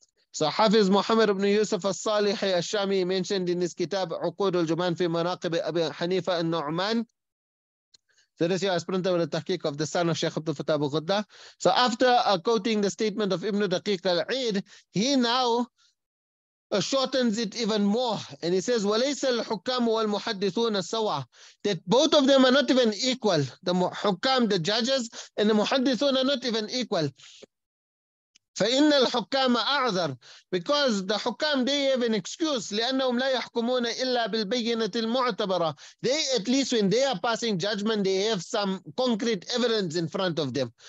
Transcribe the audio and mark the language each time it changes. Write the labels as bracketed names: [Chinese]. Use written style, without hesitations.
[English] So Hafiz Muhammad ibn Yusuf al-Salih al-Shami mentioned in his kitab, Uqud al-Juman fi Manaqib Abi Hanifa al-Nu'man. So this is a sprint of the tahqiq of the son of Shaykh Abd al-Fattah Abu Ghuddah. So after quoting the statement of Ibn Daqiq al-Eid, he now shortens it even more. [Arabic] And he says, وَلَيْسَ الْحُكَّامُ وَالْمُحَدِّثُونَ السَّوَى. [English] That both of them are not even equal. The hukam, the judges, and the muhaddithun are not even equal. [Arabic] فَإِنَّ الْحُكَّامَ أَعْذَرُ. [English] Because the hukam, they have an excuse. [Arabic] لِأَنَّهُمْ لَا يَحْكُمُونَ إِلَّا بِالْبَيِّنَةِ الْمُعْتَبَرَةِ. [English] They, at least when they are passing judgment, they have some concrete evidence in front of them.